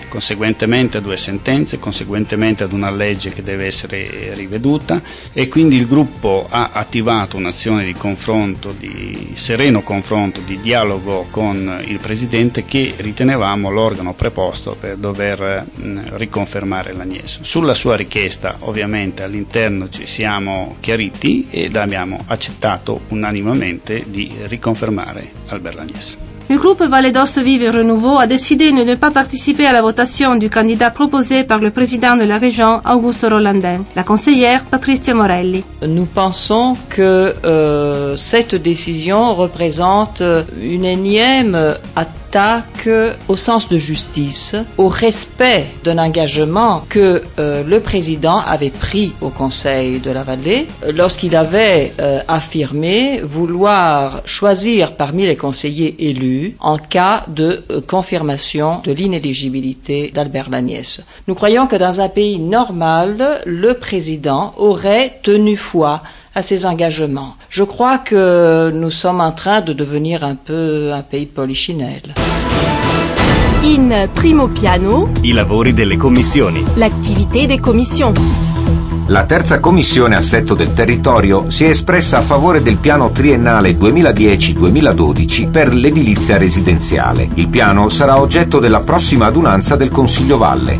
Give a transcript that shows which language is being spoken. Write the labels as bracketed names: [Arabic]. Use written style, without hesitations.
[Italian] Conseguentemente a due sentenze, conseguentemente ad una legge che deve essere riveduta, e quindi il gruppo ha attivato un'azione di confronto, di sereno confronto, di dialogo con il presidente, che ritenevamo l'organo preposto per dover riconfermare Lagnès. Sulla sua richiesta ovviamente all'interno ci siamo chiariti ed abbiamo accettato unanimemente di riconfermare Albert Lagnès. [French] Le groupe Valle d'Aosta Vive Renouveau a décidé de ne pas participer à la votation du candidat proposé par le président de la région, Augusto Rolandin. La conseillère, Patricia Morelli. Nous pensons que cette décision représente une énième attaque au sens de justice, au respect d'un engagement que le président avait pris au Conseil de la Vallée lorsqu'il avait affirmé vouloir choisir parmi les conseillers élus en cas de confirmation de l'inéligibilité d'Albert Lagnès. Nous croyons que dans un pays normal, le président aurait tenu foi à ses engagements. Je crois que nous sommes en train de devenir un peu un pays polichinelle. [Italian] In primo piano, i lavori delle commissioni. L'attività delle commissioni. La terza commissione assetto del territorio si è espressa a favore del piano triennale 2010-2012 per l'edilizia residenziale. Il piano sarà oggetto della prossima adunanza del Consiglio Valle.